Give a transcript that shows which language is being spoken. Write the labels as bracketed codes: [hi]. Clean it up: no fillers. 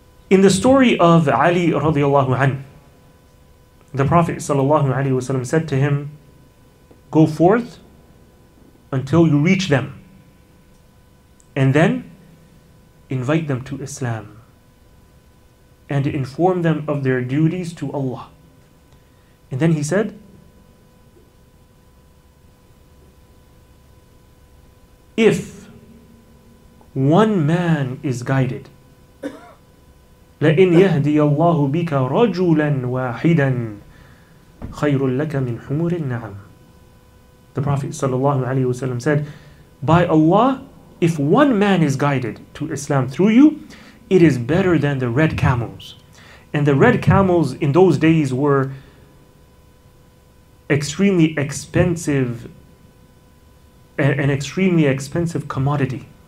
[en] In the story of Ali radiallahu anhu, the Prophet sallallahu alaihi wasallam said to him, "Go forth until you reach them, and then invite them to Islam and inform them of their duties to Allah." And then he said, "If one man is guided, [ar] لَإِنْ يَهْدِيَ اللَّهُ بِكَ رَجُلًا وَاحِدًا خَيْرٌ لَكَ مِنْ حُمُرِ النَّعَمِ." [en] The Prophet sallallahu alaihi wasallam said, "By Allah, if one man is guided to Islam through you, it is better than the red camels." And the red camels in those days were extremely expensive, an extremely expensive commodity.